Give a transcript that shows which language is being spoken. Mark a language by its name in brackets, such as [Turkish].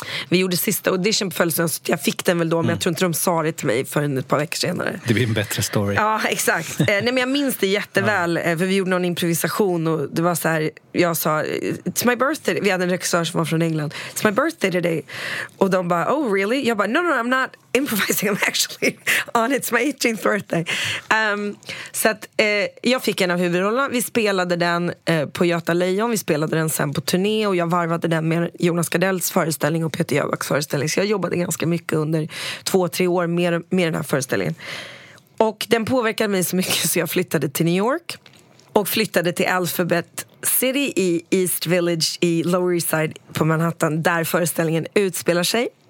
[Swedish] Vi gjorde sista audition på födelsedagen, så jag fick den väl då, men jag tror inte de sa det till mig förrän ett par veckor senare. Det blir en bättre story. Ja, exakt. Nej, men jag minns det jätteväl, för vi gjorde någon improvisation och det var så här, jag sa [English] it's my birthday, [Swedish] vi hade en regissör som var från England, [English] it's my birthday today. [Swedish] Och de bara, [English] oh really? [Swedish] Jag bara, [English] no, I'm not improvising them actually on it's my 18th birthday. [Swedish] Så att jag fick en av huvudrollerna. Vi spelade den på Göta Lejon. Vi spelade den sen på turné och jag varvade den med Jonas Gardells föreställning och Peter Jöbacks föreställning. Så jag jobbade ganska mycket under 2-3 år med den här föreställningen. Och den påverkade mig så mycket så jag flyttade till New York och flyttade till Alphabet City i East Village i Lower East Side på Manhattan där föreställningen utspelar sig.